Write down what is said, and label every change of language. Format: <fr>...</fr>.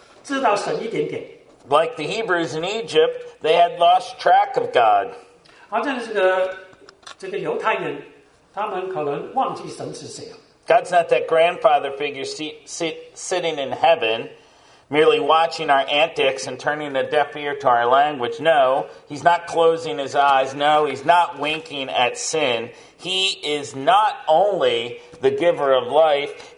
<en>Like the Hebrews in Egypt, they had lost track of God.</en> <zh>好像这个犹太人,他们可能忘记神是谁。</zh> <en>God's not that grandfather figure sitting in heaven, merely watching our antics and turning a deaf ear to our language. No, he's not closing his eyes. No, he's not winking at sin. He is not only the giver of life.</en>